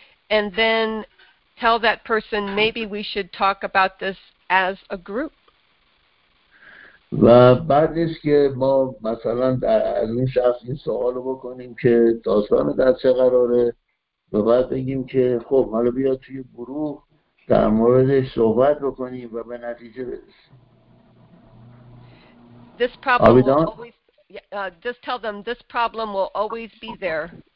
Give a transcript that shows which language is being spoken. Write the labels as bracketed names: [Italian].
[English] And then tell that person maybe we should talk about this as a group. [Persian] و بعدش که ما مثلا از این شخص این سوالو بکنیم که داستان در چه قراره، و بعد بگیم که خب حالا بیا توی گروه در موردش صحبت بکنیم و به نتیجه برسیم. [English] This problem will always just tell them this problem will always be there.